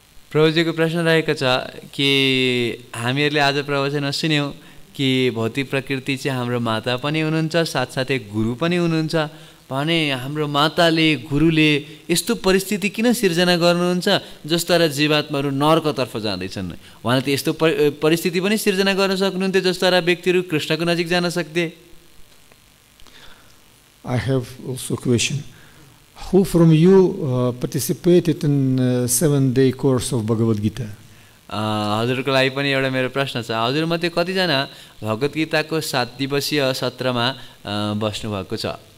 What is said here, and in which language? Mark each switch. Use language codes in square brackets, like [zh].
[ne] प्रभुजीको प्रश्न रहेको छ कि हामीहरूले आज प्रवचन सुन्यौँ कि भौतिक प्रकृति चाहिँ हाम्रो माता पनि हुनुहुन्छ साथसाथै गुरु पनि हुनुहुन्छ भने हाम्रो माताले गुरुले यस्तो परिस्थिति किन सिर्जना गर्नुहुन्छ जसद्वारा जीवात्माहरू नर्कतर्फ जाँदैछन् उहाँले त यस्तो परिस्थिति पनि सिर्जना गर्न सक्नुहुन्थ्यो जसद्वारा व्यक्तिहरू कृष्णको नजिक जान सक्थे [en] I have also a question. Who from you participated in seven-day course of Bhagavad Gita? [ne] हजुरको लागि पनि एउटा मेरो प्रश्न छ हजुरमध्ये कतिजना भगवद् गीताको सात दिवसीय सत्रमा बस्नुभएको छ